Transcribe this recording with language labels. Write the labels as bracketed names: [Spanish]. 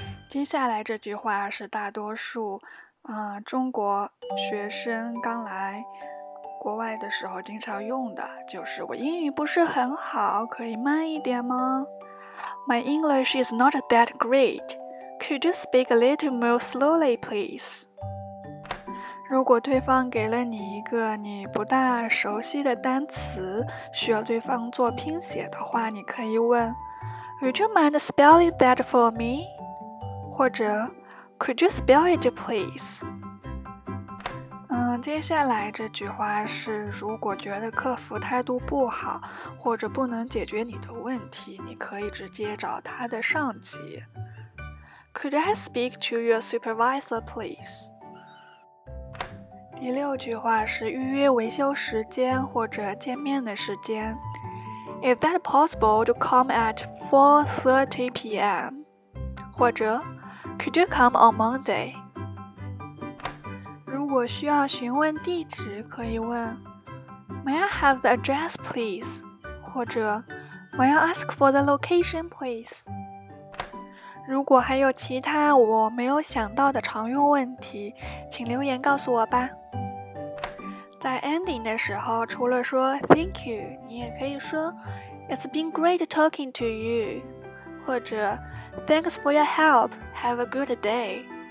[Chinese] 接下来这句话是大多数，中国学生刚来国外的时候经常用的，就是我英语不是很好，可以慢一点吗？ [English] My English is not that great. Could you speak a little more slowly, please? [Chinese] 如果对方给了你一个你不大熟悉的单词，需要对方做拼写的话，你可以问 [English] Would you mind spelling that for me? [Chinese] 或者 [English] Could you spell it, please? [Chinese] 接下来这句话是，如果觉得客服态度不好，或者不能解决你的问题，你可以直接找他的上级。 [English] Could I speak to your supervisor, please? [Chinese] 第六句话是预约维修时间或者见面的时间。 [English] Is that possible to come at 4:30 p.m.? [Chinese] 或者 [English] Could you come on Monday? [Chinese] 如果需要询问地址，可以问 [English] May I have the address, please? [Chinese] 或者 [English] May I ask for the location, please? [Chinese] 如果还有其他我没有想到的常用问题，请留言告诉我吧。在 [English] ending [Chinese] 的时候，除了说 [English] Thank you, [Chinese] 你也可以说 [English] It's been great talking to you, [Chinese] 或者 [English] Thanks for your help, have a good day.